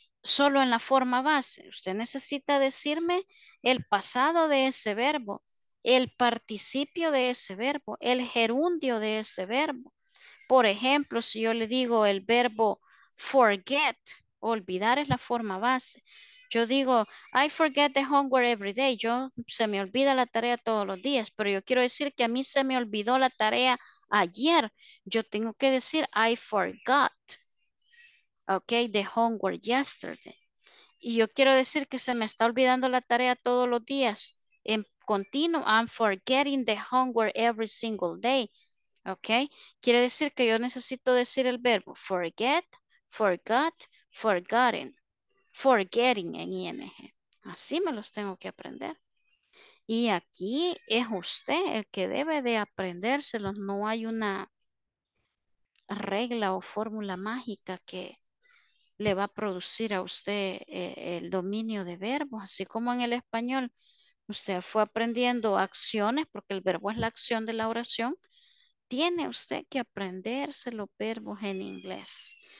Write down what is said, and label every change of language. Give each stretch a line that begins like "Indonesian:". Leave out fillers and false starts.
Spanish: Solo en la forma base, usted necesita decirme el pasado de ese verbo, el participio de ese verbo, el gerundio de ese verbo. Por ejemplo, si yo le digo el verbo forget, olvidar es la forma base. Yo digo,
English: I forget the homework every day.
Spanish: Yo se me olvida la tarea todos los días, pero yo quiero decir que a mí se me olvidó la tarea ayer. Yo tengo que decir,
English: I forgot. Ok, the homework yesterday.
Spanish: Y yo quiero decir que se me está olvidando la tarea todos los días. En continuo,
English: I'm forgetting the homework every single day.
Spanish: Ok, quiere decir que yo necesito decir el verbo forget, forgot, forgotten, forgetting en ING. Así me los tengo que aprender. Y aquí es usted el que debe de aprendérselos. No hay una regla o fórmula mágica que le va a producir a usted el dominio de verbos, así como en el español usted fue aprendiendo acciones, porque el verbo es la acción de la oración, tiene usted que aprenderse los verbos en inglés.